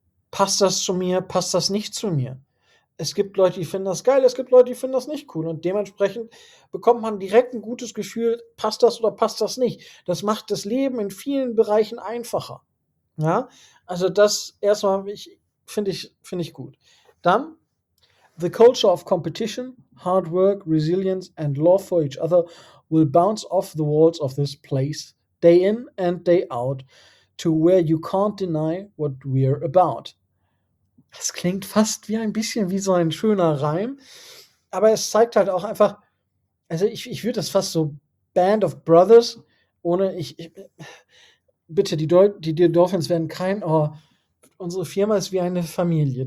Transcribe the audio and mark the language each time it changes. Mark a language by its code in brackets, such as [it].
[de] Passt das zu mir, passt das nicht zu mir? Es gibt Leute, die finden das geil, es gibt Leute, die finden das nicht cool. Und dementsprechend bekommt man direkt ein gutes Gefühl, passt das oder passt das nicht. Das macht das Leben in vielen Bereichen einfacher. Ja, also das erstmal finde ich gut. [en] Dann, the culture of competition, hard work, resilience and love for each other will bounce off the walls of this place, day in and day out, to where you can't deny what we're about. [de] Das klingt fast wie ein bisschen wie so ein schöner Reim. Aber es zeigt halt auch einfach, also ich würde das fast so Band of Brothers, ohne bitte, die Dolphins werden kein, oh, unsere Firma ist wie eine Familie.